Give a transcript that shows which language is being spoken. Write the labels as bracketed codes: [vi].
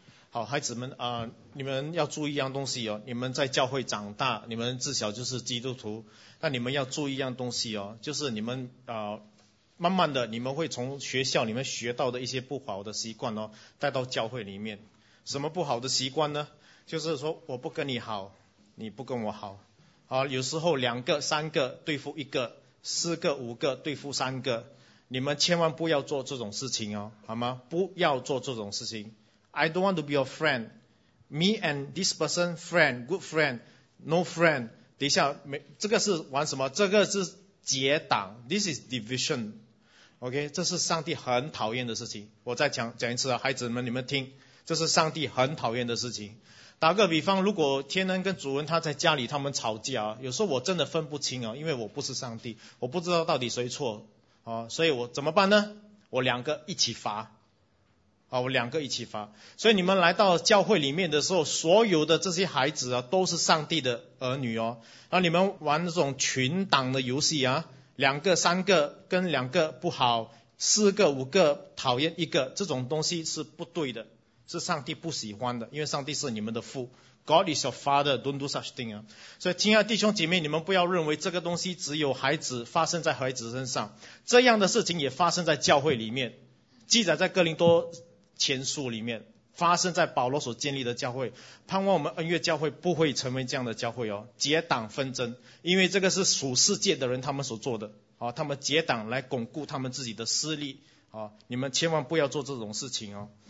[zh] 好，孩子们啊，你们要注意一样东西哦，你们在教会长大，你们自小就是基督徒，那你们要注意一样东西哦，就是你们慢慢的你们会从学校里面学到的一些不好的习惯哦带到教会里面。什么不好的习惯呢？就是说我不跟你好，你不跟我好啊，有时候两个三个对付一个，四个五个对付三个，你们千万不要做这种事情哦，好吗？不要做这种事情。 [en] I don't want to be your friend. Me and this person friend, good friend, no friend. [zh] 等一下，这个是玩什么？这个是结党。 [en] This is division. [zh] OK, 这是上帝很讨厌的事情。我再 讲一次啊，孩子们你们听，这是上帝很讨厌的事情。打个比方，如果天恩跟主恩他在家里他们吵架，有时候我真的分不清啊，因为我不是上帝，我不知道到底谁错啊，所以我怎么办呢？我两个一起罚啊，我两个一起罚。所以你们来到教会里面的时候，所有的这些孩子啊都是上帝的儿女哦。那你们玩那种群党的游戏啊，两个三个跟两个不好，四个五个讨厌一个，这种东西是不对的，是上帝不喜欢的，因为上帝是你们的父。 [en] God is your father, don't do such thing. [zh] 所以亲爱的弟兄姐妹，你们不要认为这个东西只有孩子发生在孩子身上，这样的事情也发生在教会里面，记载在哥林多前书里面，发生在保罗所建立的教会。盼望我们恩悦教会不会成为这样的教会哦，结党纷争，因为这个是属世界的人他们所做的，他们结党来巩固他们自己的势力，你们千万不要做这种事情哦。